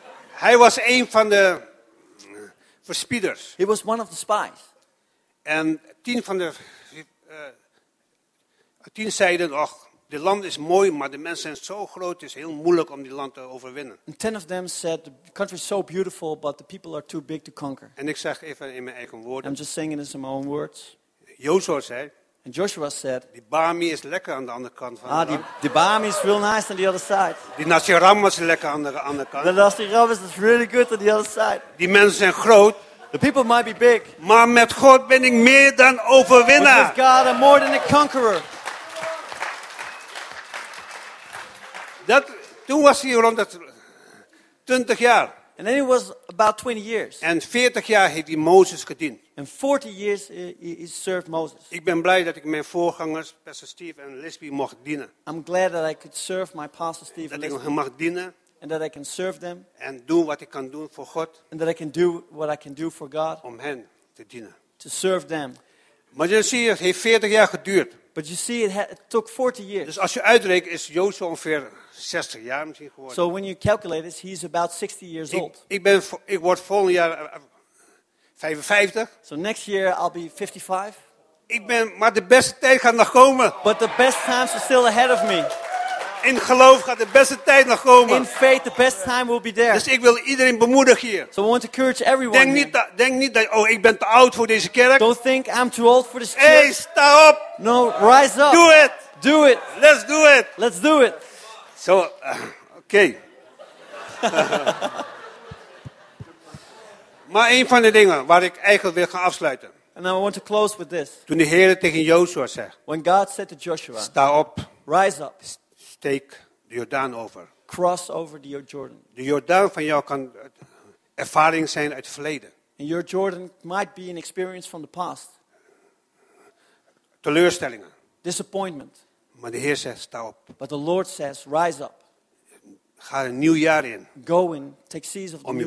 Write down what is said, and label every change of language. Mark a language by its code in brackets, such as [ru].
[nl] Hij was een van de verspieders. [en] He was one of the spies. [nl] En 10 van de 10 zeiden, och, dit land is mooi, maar de mensen zijn zo groot, het is heel moeilijk om dit land te overwinnen. [en] And 10 of them said, the country is so beautiful, but the people are too big to conquer. [nl] En ik zeg even in mijn eigen woorden. [en] I'm just saying it in my own words. [nl] Joshua zei. [en] And Joshua said, [nl] "Die Bami is lekker aan de andere kant van de land. [en] Die Bami is real nice on the other side. [nl] Die Nasiram is lekker aan de andere kant. [en] The Nasiram is really good on the other side. [nl] Die mensen zijn groot. [en] The people might be big. [nl] Maar met God ben ik meer dan overwinner. [en] But with God, I'm more than a conqueror. [nl] Dat toen was hij rond de 20 jaar. [en] And then he was about 20 years. [nl] En 40 jaar heeft hij Mozes gediend. [en] And 40 years he served Moses. [nl] Ik ben blij dat ik mijn voorgangers, Pastor Steve en Lisby, mocht dienen. [en] I'm glad that I could serve my Pastor Steve [nl] dat [en] and Lisby. [nl] Dat ik mag dienen. [en] And that I can serve them. [nl] En doen wat ik kan doen voor God. [en] And that I can do what I can do for God. [nl] Om hen te dienen. [en] To serve them. [nl] Maar je ziet, het heeft 40 jaar geduurd. [en] But you see, it took 40 years. [nl] Dus als je uitrekent, is Joshua ongeveer 60 jaar misschien geworden. [en] So when you calculate it, he's about 60 years old. [nl] Ik word volgend jaar 55. [en] So next year I'll be 55. [nl] Maar de beste tijd gaat nog komen. [en] But the best times are still ahead of me. [nl] In geloof gaat de beste tijd nog komen. [en] In faith, the best time will be there. [nl] Dus ik wil iedereen bemoedigen hier. [en] So I want to encourage everyone. [nl] Denk niet dat ik ben te oud voor deze kerk. [en] Don't think I'm too old for this church. [nl] Hey, sta op. [en] No, rise up. Do it. Do it. Let's do it. Let's do it. So, okay. [nl] Maar een van de dingen waar ik eigenlijk wil gaan afsluiten. [en] And I want to close with this. [nl] Toen de Heer tegen Joshua zegt. [en] When God said to Joshua. [nl] Sta op. [en] Rise up. [nl] Steek de Jordaan over. [en] Cross over the Jordan. [nl] De Jordaan van jou kan ervaring zijn uit het verleden. [en] And your Jordan might be an experience from the past. [nl] Teleurstellingen. [en] Disappointment. [nl] Maar de Heer zegt, sta op. [en] But the Lord says, rise up. [nl] Ga een nieuw jaar in. [en] Go in, take seize of the new year.